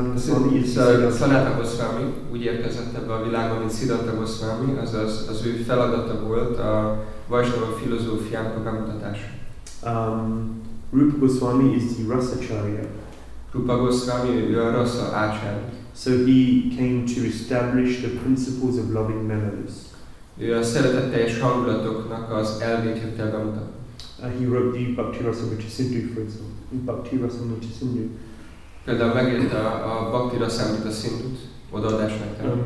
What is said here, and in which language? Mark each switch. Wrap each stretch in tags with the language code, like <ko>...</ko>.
<hu>Sanatana Goswami úgy érkezett ebbe a világba, mint Siddhanta Goswami, azaz az ő feladata volt a Vaishnava filozófiának a bemutatása.</hu> <en>Rupa Goswami is the Rasa Acharya.</en> <hu>Rupa Goswami, ő a Rasa Acharya.</hu> <en>So he came to establish the principles of loving melodies.</en> <hu>Ő a szeretetteljes hangulatoknak az elvét jött el bemutatni.</hu> <en>He wrote the Bhakti Rasa Vichasindhu, for example. Bhakti Rasamrita Sindhu.</en> <hu>Például megírta a Bhakti Rasamrita Sindhut, odaadás nektek.</hu>